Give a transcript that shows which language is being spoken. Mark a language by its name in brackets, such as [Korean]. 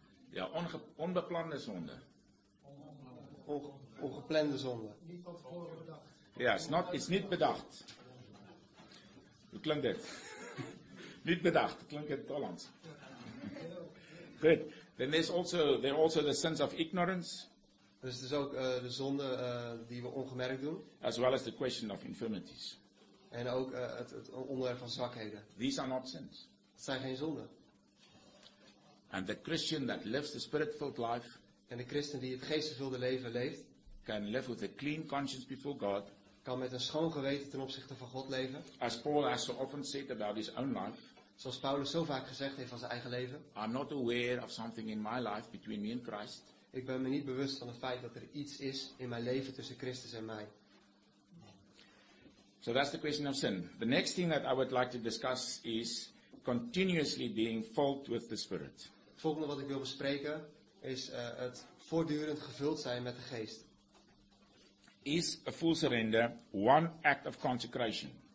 [Dutch] Ja, onbeplande zonde. Ongeplande zonde. Ja, het is niet bedacht. Hoe klinkt dit? Niet bedacht, klinkt het Hollands. Goed. [English] Then there's also the sins of ignorance. [Dutch] Dus het is ook de zonde die we ongemerkt doen. [English] As well as the question of infirmities. [Dutch] En ook het onderwerp van zwakheden. [English] These are not sins. [Dutch] Het zijn geen zonden. [English] And the Christian that lives the spirit-filled life. [Dutch] En de christen die het geestvervulde leven leeft. [English] Can live with a clean conscience before God. [Dutch] Kan met een schoon geweten ten opzichte van God leven. [English] As Paul has so often said about his own life. [Dutch] Zoals Paulus zo vaak gezegd heeft van zijn eigen leven. [English] I'm not aware of something in my life between me and Christ. [Dutch] Ik ben me niet bewust van het feit dat er iets is in mijn leven tussen Christus en mij. [English] So that's the question of sin. The next thing that I would like to discuss is continuously being filled with the Spirit. [Dutch] Het volgende wat ik wil bespreken is het voortdurend gevuld zijn met de geest. [English] Is a full surrender one act of consecration?